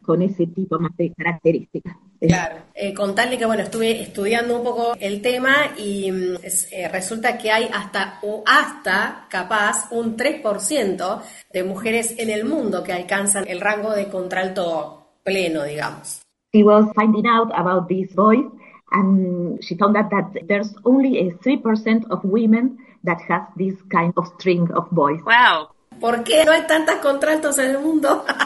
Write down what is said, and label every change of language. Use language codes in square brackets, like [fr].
[es] Con ese tipo más de características. Claro, contarle que bueno, estuve estudiando un poco el tema y resulta que hay hasta capaz un 3% de mujeres en el mundo que alcanzan el rango de contralto pleno, digamos. [en] She was finding out about this voice and she found out that there's only a 3% of women that has this kind of string of voice. Wow. [es] ¿Por qué no hay tantas contraltos en el mundo?